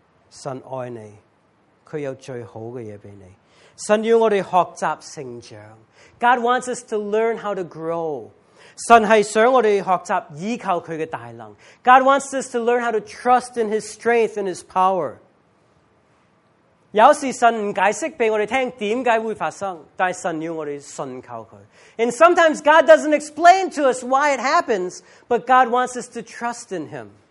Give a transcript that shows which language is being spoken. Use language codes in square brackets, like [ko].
[zh] 神爱你, 祂有最好的东西给你. 神要我们学习成长. [en] God wants us to learn how to grow. [zh] 神是想我们学习依靠祂的大能. [en] God wants us to learn how to trust in His strength and His power. [zh] 有时神不解释给我们听为什么会发生, 但是神要我们信靠祂. [en] And sometimes God doesn't explain to us why it happens, but God wants us to trust in Him.